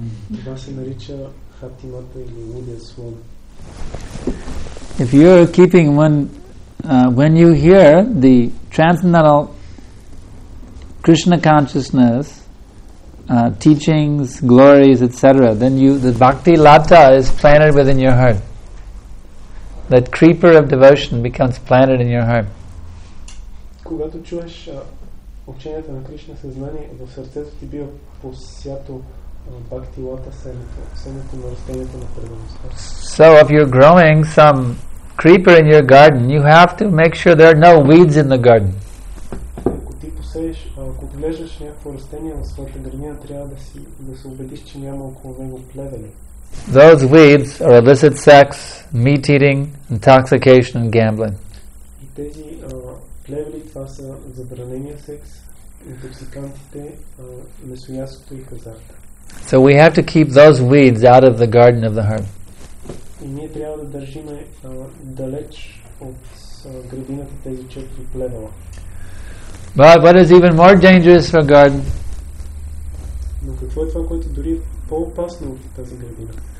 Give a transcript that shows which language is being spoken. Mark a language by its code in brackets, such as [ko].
[en] If you are keeping one, when you hear the transcendental Krishna consciousness, teachings, glories, etc., then the bhakti lata is planted within your heart. That creeper of devotion becomes planted in your heart. [bg] Когато чуеш учението на Кришна съзнание, в сърцето ти бива посято бхакти лота семето, семето на растението на преданността. [en] So if you're growing some creeper in your garden, you have to make sure there are no weeds in the garden. [bg] Ако ти посееш, ако отглеждаш някакво растение в своята градина, трябва да си да се убедиш, че няма около него плевели. [en] Those weeds are illicit sex, meat eating, intoxication and gambling. [bg] И тези плевели, това са забранения секс, интоксикантите, месоядството и хазарта. [en] So we have to keep those weeds out of the garden of the heart. [bg] И ние трябва да държиме далеч от градината тези четири плевела. [en] But what is even more dangerous for garden? [bg] Но какво е това, което дори по-опасно от тази градина?